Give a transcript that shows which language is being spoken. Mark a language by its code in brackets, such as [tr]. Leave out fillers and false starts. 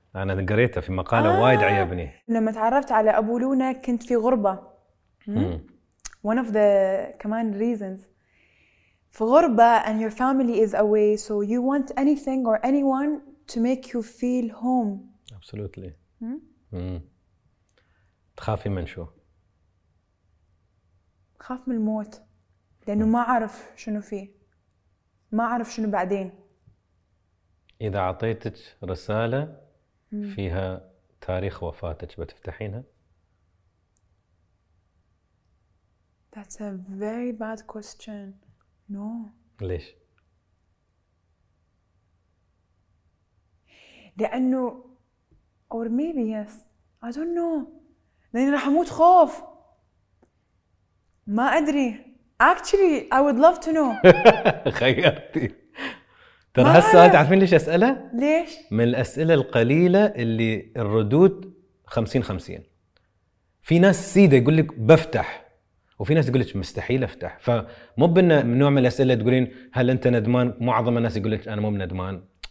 [ar] أنا قريتها في مقالة وايد عجبني. لما تعرفت على أبو لونا كنت في غربة. [en] One of the [ar] كمان [en] reasons. [ar] في غربة [en] and your family is away, so you want anything or anyone to make you feel home. Absolutely. [ar] تخافي من شو؟ خاف من الموت، لأنه ما أعرف شنو فيه، ما أعرف شنو بعدين. إذا عطيتك رسالة فيها تاريخ وفاتك بتفتحينها؟ [en] That's a very bad question. No. [ar] ليش؟ لأنه [en] or maybe yes. I don't know. [ar] لأني راح أموت خوف. ما أدري. [en] Actually I would love to know. [ar] خيرتي. ترى هالسؤال تعرفين ليش أسأله؟ ليش؟ من الأسئلة القليلة اللي الردود 50-50. في ناس سيدة يقول لك بفتح، وفي ناس يقول لك مستحيل أفتح. فمو بأن من نوع من الأسئلة تقولين هل أنت ندمان، معظم الناس يقول لك أنا مو ندمان.